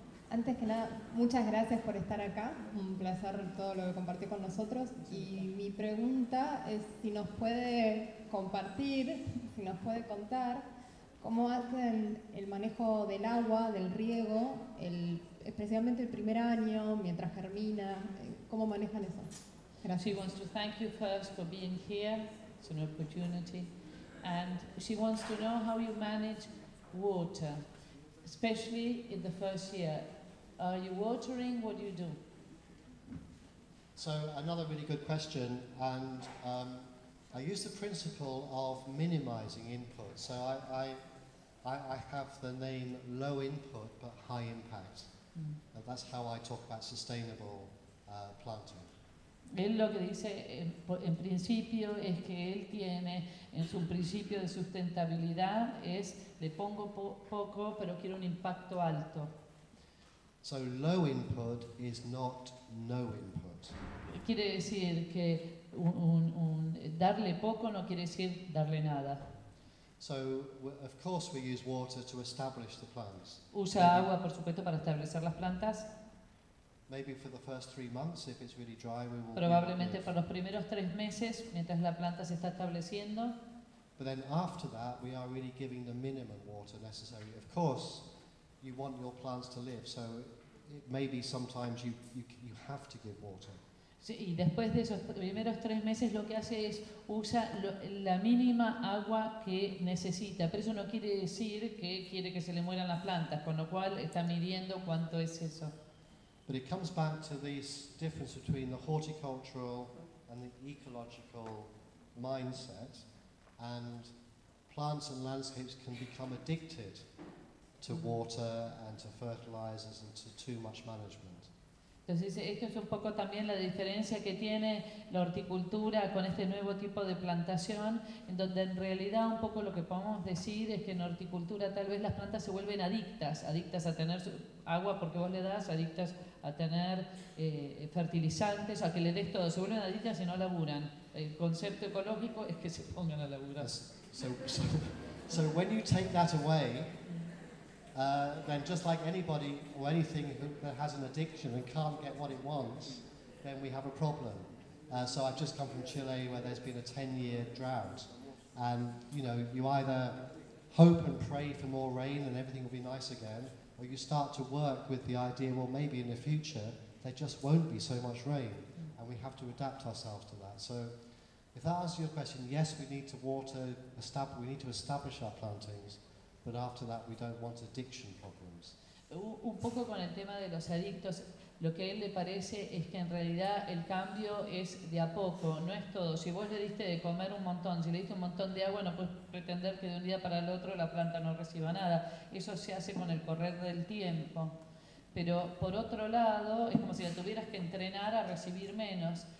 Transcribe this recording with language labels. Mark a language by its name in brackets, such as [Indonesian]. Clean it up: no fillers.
[Spanish] Antes que nada, muchas gracias por estar acá. Un placer todo lo que compartió con nosotros. Y mi pregunta es si nos puede compartir, si nos puede contar cómo hacen el manejo del agua, del riego, especialmente el primer año, mientras germina, cómo manejan eso. Gracias. [English] She wants to thank you first for being here. It's an opportunity. And she wants to know how you manage water, especially in the first year. Are you watering? What do you do? So another really good question, and I use the principle of minimizing input. So I have the name low input but high impact. Mm. That's how I talk about sustainable planting. [Spanish] Él lo que dice en principio es que él tiene en su principio de sustentabilidad es le pongo poco pero quiero un impacto alto. [English] So low input is not no input. [Spanish] Quiere decir que un darle poco no quiere decir darle nada. [English] So of course we use water to establish the plants. [Spanish] Usa agua, por supuesto, para establecer las plantas. [English] Maybe for the first 3 months, if it's really dry, we will. [Spanish] Probablemente para los primeros 3 meses, mientras la planta se está estableciendo. [English] But then after that, we are really giving the minimum water necessary. Of course. You want your plants to live, so it may be sometimes you have to give water. [Spanish] Sí, y después de esos primeros 3 meses, lo que hace es usa la mínima agua que necesita. Pero eso no quiere decir que quiere que se le mueran las plantas, con lo cual está midiendo cuánto es eso. [English] But it comes back to this difference between the horticultural and the ecological mindset, and plants and landscapes can become addicted to water and to fertilizers and to too much management. [Spanish] Entonces, esto es un poco también la diferencia que tiene la horticultura con este nuevo tipo de plantación, en donde en realidad un poco lo que podemos decir es que en horticultura tal vez las plantas se vuelven adictas a tener agua porque vos le das, adictas a tener fertilizantes, a que le des todo, se vuelven adictas y no laburan. El concepto ecológico es que se pongan a laburar. [English] So when you take that away, then just like anybody or anything that has an addiction and can't get what it wants, then we have a problem. So I've just come from Chile where there's been a 10-year drought. And, you know, you either hope and pray for more rain and everything will be nice again, or you start to work with the idea, well, maybe in the future there just won't be so much rain. And we have to adapt ourselves to that. So if that answers your question, yes, we need to water, we need to establish our plantings. But after that, we don't want addiction problems. [Spanish] Un poco con el tema de los adictos, lo que a él le parece es que en realidad el cambio es de a poco, no es todo. Si vos le diste de comer un montón, si le diste un montón de agua, no puedes pretender que de un día para el otro la planta no reciba nada. Eso se hace con el correr del tiempo. Pero por otro lado, es como si la tuvieras que entrenar a recibir menos.